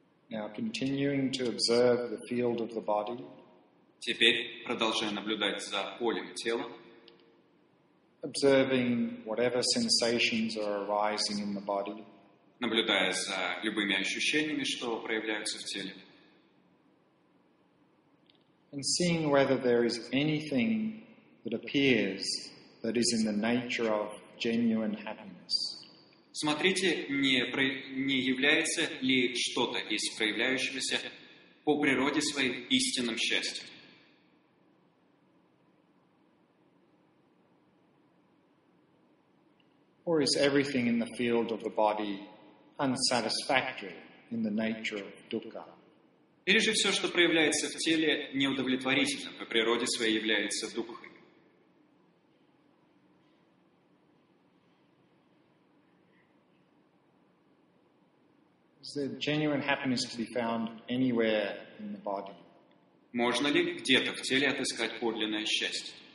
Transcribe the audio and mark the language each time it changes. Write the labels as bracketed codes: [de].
[en] Now, continuing to observe the field of the body. [ru] Теперь продолжая наблюдать за полем тела. [en] Observing whatever sensations are arising in the body. [ru] Наблюдая за любыми ощущениями, что проявляются в теле. [en] And seeing whether there is anything that appears that is in the nature of genuine happiness. [ru] Смотрите, не является ли что-то из проявляющегося по природе своей истинным счастьем. [en] Or is everything in the field of the body unsatisfactory in the nature of dukkha? [ru] Или же все, что проявляется в теле, неудовлетворительно по природе своей является дукхой. [en] Is there genuine happiness to be found anywhere in the body? [ru] Можно ли где-то в теле отыскать подлинное счастье?